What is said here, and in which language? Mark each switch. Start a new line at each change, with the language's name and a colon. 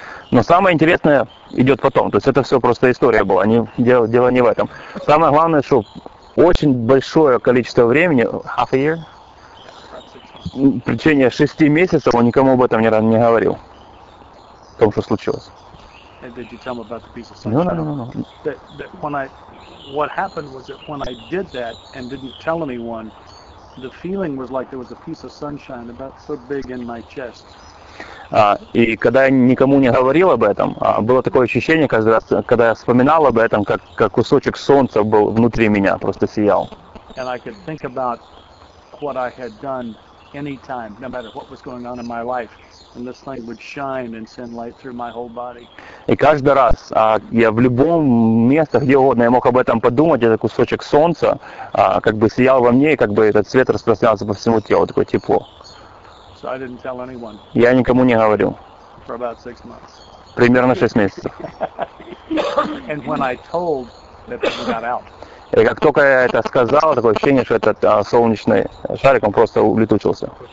Russian: Но самое интересное идет потом. То есть это все просто история была. Не, дело не в этом. Самое главное, что очень большое количество времени,
English: half a year,
Russian: в течение 6 месяцев он никому об этом не говорил. О том, что случилось.
English: Did you tell me about the piece of sunshine? No. What happened was that when I did that and didn't tell anyone, the feeling was like there was a piece of sunshine about so big in my chest.
Russian: И когда я никому не говорил об этом, было такое ощущение, когда я вспоминал об этом, как кусочек солнца был внутри меня, просто сиял.
English: And I could think about what I had done any time, no matter what was going on in my life. And this thing would shine and send light through my whole body.
Russian: И каждый раз, я в любом месте, где угодно, я мог об этом подумать, этот кусочек солнца, как бы сиял во мне, и как бы этот свет распространялся по всему телу, такое тепло.
English: So I didn't tell anyone.
Russian: Я никому не говорил.
English: For about 6 months.
Russian: Примерно 6 месяцев.
English: And when I told, that thing got out.
Russian: И как только я это сказал, такое ощущение, что этот солнечный шарик, он просто улетучился.